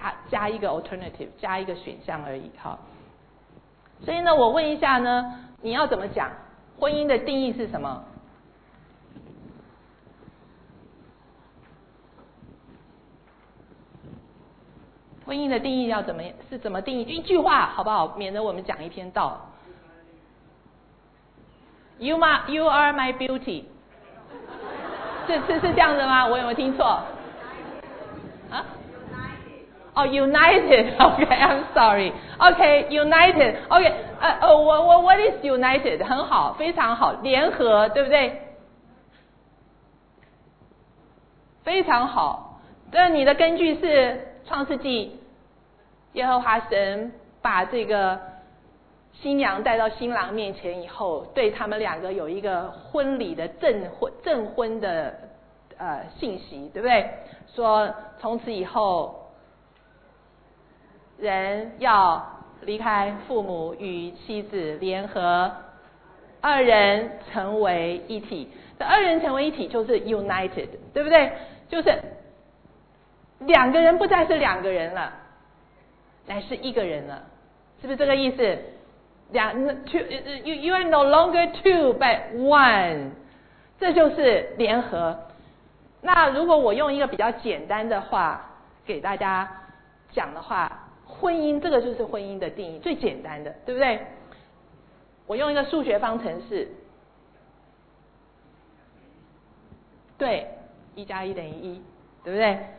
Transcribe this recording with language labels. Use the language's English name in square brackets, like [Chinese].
[Chinese] 加一个 alternative， 加一个选项而已。好，所以呢我问一下呢，你要怎么讲婚姻的定义是什么？婚姻的定义要怎么定义？一句话好不好，免得我们讲一篇道。 [English] You are my beauty， [Chinese] 是这样的吗？我有没有听错啊？ [English] 哦、oh, ，United， OK， I'm sorry， OK， United， OK， 我 What is United？ [Chinese] 很好，非常好，联合，对不对？非常好。那你的根据是创世纪，耶和华神把这个新娘带到新郎面前以后，对他们两个有一个婚礼的证婚的信息，对不对？说从此以后。人要离开父母与妻子联合，二人成为一体。这二人成为一体就是 united， 对不对？就是两个人不再是两个人了，乃是一个人了，是不是这个意思？ [English] You are no longer two but one， [Chinese] 这就是联合。那如果我用一个比较简单的话给大家讲的话，婚姻，这个就是婚姻的定义，最简单的，对不对？我用一个数学方程式，对，一加一等于一，对不对？